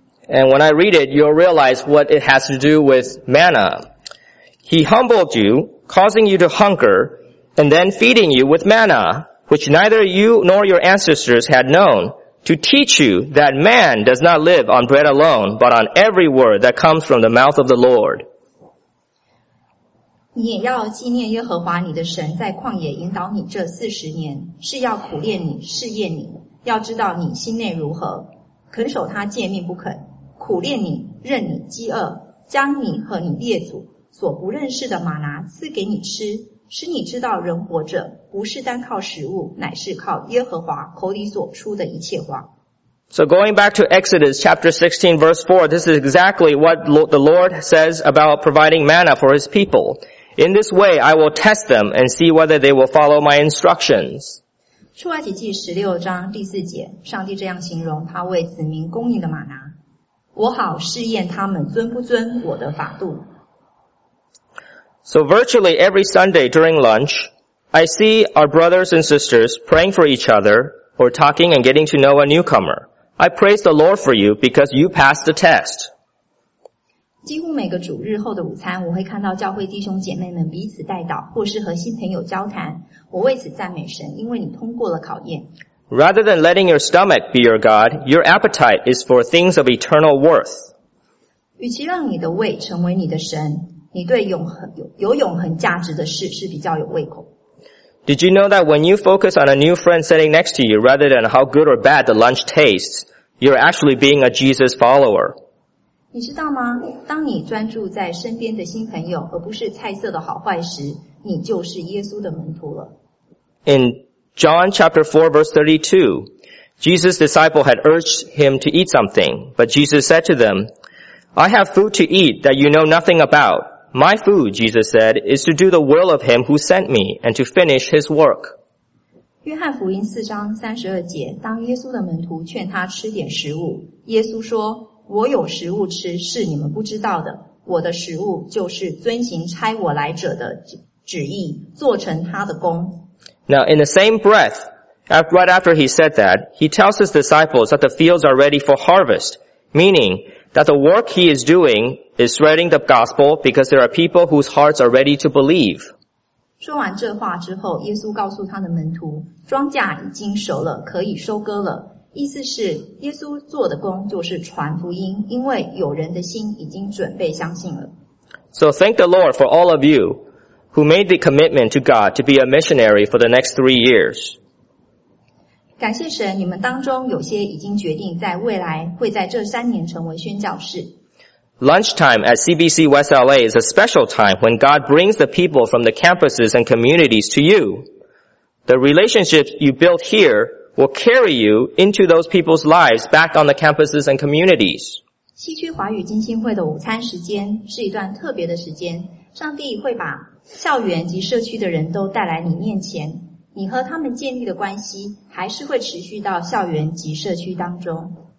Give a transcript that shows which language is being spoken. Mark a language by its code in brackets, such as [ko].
[en] And when I read it, you'll realize what it has to do with manna. He humbled you, causing you to hunger, and then feeding you with manna, which neither you nor your ancestors had known. To teach you that man does not live on bread alone, but on every word that comes from the mouth of the Lord. [zh] 你也要纪念耶和华你的神在旷野引导你这四十年，是要苦练你、试验你，要知道你心内如何，肯守他诫命不肯，苦练你，任你饥饿，将你和你列祖所不认识的玛拿赐给你吃。使你知道人活着不是单靠食物，乃是靠耶和华口里所出的一切话。 [en] So going back to Exodus chapter 16 verse 4, this is exactly what the Lord says about providing manna for his people. In this way, I will test them and see whether they will follow my instructions. [zh] 出埃及记十六章第四节，上帝这样形容他为子民供应的玛拿：我好试验他们遵不遵我的法度。 [en] So virtually every Sunday during lunch, I see our brothers and sisters praying for each other or talking and getting to know a newcomer. I praise the Lord for you because you passed the test. [zh] 几乎每个主日后的午餐，我会看到教会弟兄姐妹们彼此代祷，或是和新朋友交谈。我为此赞美神，因为你通过了考验。 [en] Rather than letting your stomach be your God, your appetite is for things of eternal worth. [zh] 与其让你的胃成为你的神，你对永恒 有永恒价值的事是比较有胃口。 [en] Did you know that when you focus on a new friend sitting next to you rather than how good or bad the lunch tastes, you're actually being a Jesus follower? [zh] 你知道吗？当你专注在身边的新朋友而不是菜色的好坏时，你就是耶稣的门徒了。 [en] In John chapter 4 verse 32, Jesus' disciple had urged him to eat something, but Jesus said to them, I have food to eat that you know nothing about. My food, Jesus said, is to do the will of him who sent me and to finish his work. [zh] 约翰福音四章三十二节，当耶稣的门徒劝他吃点食物，耶稣说，我有食物吃是你们不知道的，我的食物就是遵行差我来者的旨意，做成他的工。 [en] Now in the same breath, right after he said that, he tells his disciples that the fields are ready for harvest, meaning that the work he is doing is spreading the gospel because there are people whose hearts are ready to believe. [zh] 说完这话之后，耶稣告诉他的门徒，庄稼已经熟了，可以收割了。意思是，耶稣做的工就是传福音，因为有人的心已经准备相信了。 [en] So thank the Lord for all of you who made the commitment to God to be a missionary for the next 3 years. [zh] 感谢神，你们当中有些已经决定在未来会在这三年成为宣教士。 [en] Lunchtime at CBC West LA is a special time when God brings the people from the campuses and communities to you. The relationships you built here will carry you into those people's lives back on the campuses and communities. [zh] 西区华语金星会的午餐时间是一段特别的时间，上帝会把校园及社区的人都带来你面前。你和他们建立的关系还是会持续到校园及社区当中。